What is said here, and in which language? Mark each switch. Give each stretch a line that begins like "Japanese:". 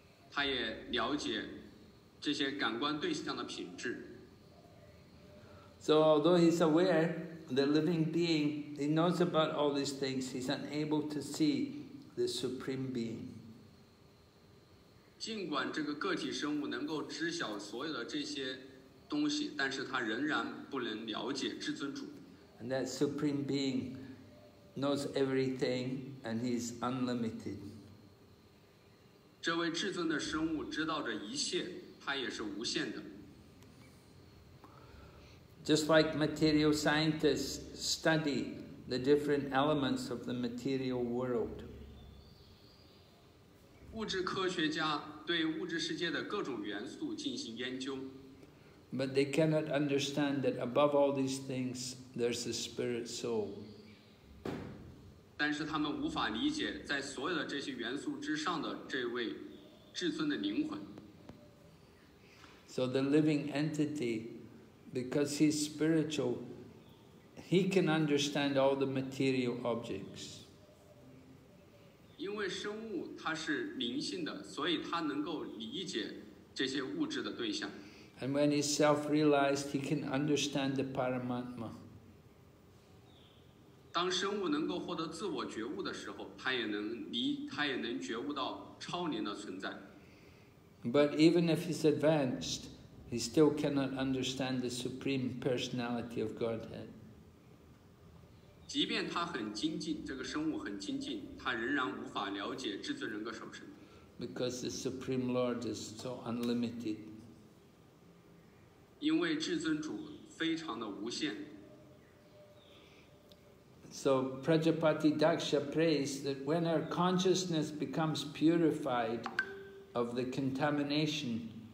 Chinese: 他也了解这些感官对象的品质。
English: So although he's aware, the living being, he knows about all these things, he's unable to see the Supreme Being.
Chinese: 尽管这个个体生物能够知晓所有的这些东西，但是他仍然不能了解至尊主。
English: And that Supreme Being knows everything and he's unlimited.
Chinese: 这位至尊的生物知道着一切，他也是无限的。
English: Just like material scientists study the different elements of the material world.
Chinese: 物质科学家对物质世界的各种元素进行研究。
English: But they cannot understand that above all these things, there's a spirit soul.
Chinese: 但是他们无法理解在所有的这些元素之上的这位至尊的灵魂。
English: So the living entity, because he's spiritual, he can understand all the material objects.
Chinese: 因为生物它是灵性的，所以它能够理解这些物质的对象。
English: And when he's self-realized, he can understand the Paramatma.
Chinese: 当生物能够获得自我觉悟的时候，它也能觉悟到超灵的存在。
English: But even if he's advanced,He still cannot understand the Supreme Personality of Godhead.
Chinese: 即便他很精进，这个生物很精进，他仍然无法了解至尊人格什么身份。
English: Because the Supreme Lord is so unlimited.
Chinese: 因为至尊主非常的无限。
English: So Prajapati Daksha prays that when our consciousness becomes purified of the contamination.